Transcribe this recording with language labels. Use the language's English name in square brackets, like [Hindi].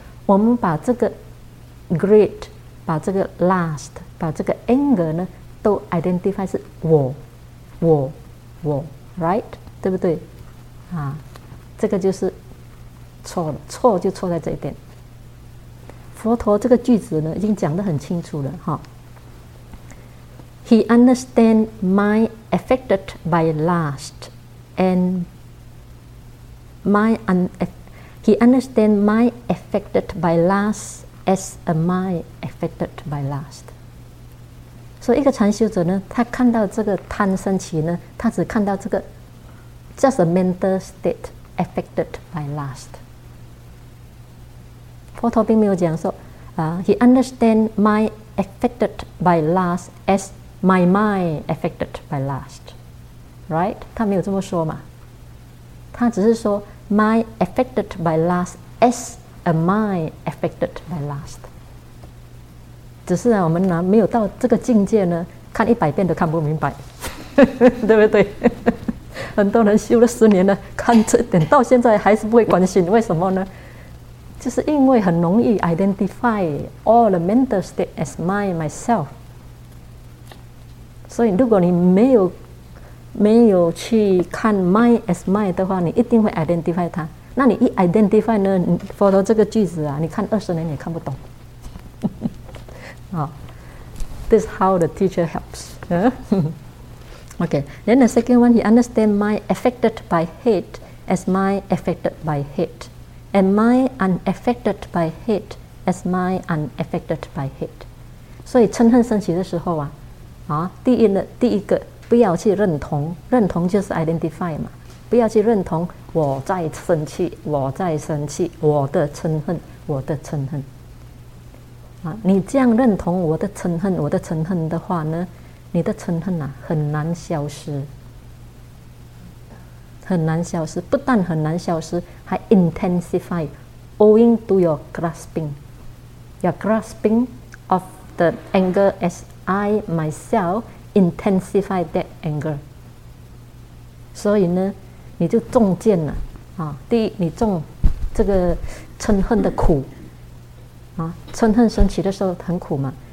[Chinese] 我们把这个 greed， 把这个 lust， 把这个 anger 呢，都 identify 是我 ，right， 对不对？啊，这个就是错了，错就错在这一点。佛陀这个句子呢，已经讲得很清楚了哈。 [English] He understands mind affected by lust and mind unaffected. He understands mind affected by lust as a mind affected by lust. [Chinese] 所以一个禅修者呢，他看到这个贪升起呢，他只看到这个 [English] just a mental state affected by lust. [Chinese] 佛陀并没有讲说 [English] he understands mind affected by lust as my mind affected by lust. Right? [Chinese] 他没有这么说嘛。他只是说 [English] Mind affected by lust as a mind affected by lust. [Chinese] 只是啊，我们呢没有到这个境界呢，看一百遍都看不明白，对不对？很多人修了十年了，看这点到现在还是不会关心，为什么呢？就是因为很容易 [English] identify all the mental state as mind myself. [Chinese] 所以如果你没有去看 [English] mind as mind [Chinese] 的话，你一定会 identify 它。那你一 identify 呢，你 follow 这个句子啊，你看二十年也看不懂。 [English] This is how the teacher helps. Okay, then the second one, he understands mind affected by hate as mind affected by hate, and mind unaffected by hate as mind unaffected by hate. [Chinese] 所以嗔恨升起的时候啊，第一个。不要去认同，认同就是 identify 嘛，不要去认同我在生气，我在生气，我的嗔恨，我的嗔恨。你这样认同我的嗔恨，我的嗔恨的话呢，你的嗔恨啊，很难消失，不但很难消失，还 intensify [English] owing to your grasping。 your grasping of the anger as I myself intensify that anger. [Chinese] 所以呢，你就中箭了啊！第一，你中这个嗔恨的苦啊，嗔恨升起的时候很苦嘛。